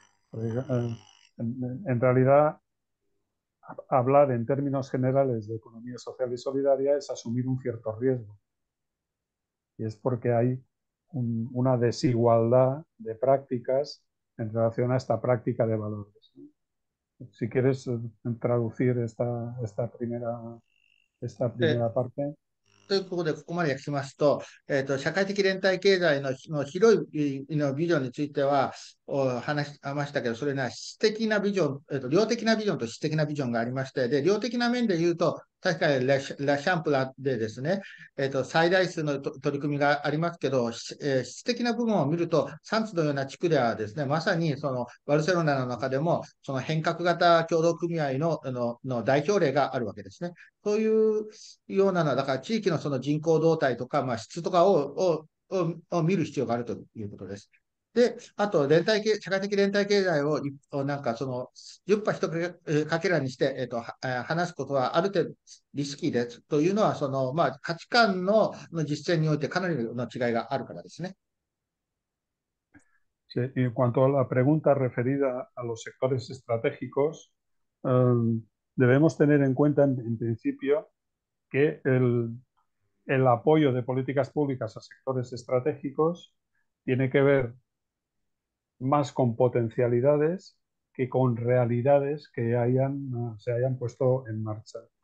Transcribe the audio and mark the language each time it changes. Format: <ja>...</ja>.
<es>Porque, en realidad, hablar en términos generales de economía social y solidaria es asumir un cierto riesgo. Y es porque hay una desigualdad de prácticas en relación a esta práctica de valores. Si quieres traducir esta primera parte.</es> <ja>ということで、ここまで来ますと、社会的連帯経済 の広いのビジョンについては話しましたけど、それには質的なビジョン、量的なビジョンと質的なビジョンがありまして、で量的な面で言うと、確かにラシャンプラでですね、最大数の取り組みがありますけど、質的な部分を見ると、サンツのような地区ではですね、まさにそのバルセロナの中でも、その変革型共同組合 の代表例があるわけですね。そういうようなのは、だから地域 の, その人口動態とか、まあ、質とか を見る必要があるということです。で、あと連帯、社会的連帯経済を、なんかその、10波1かけらにして、話すことはある程度リスキーですというのは、その、まあ、価値観の実践においてかなりの違いがあるからですね。</ja> <es>Sí, en cuanto a la pregunta referida a los sectores estratégicos, debemos tener en cuenta, en principio, que el apoyo de políticas públicas a sectores estratégicos tiene que ver más con potencialidades que con realidades que se hayan puesto en marcha.</es>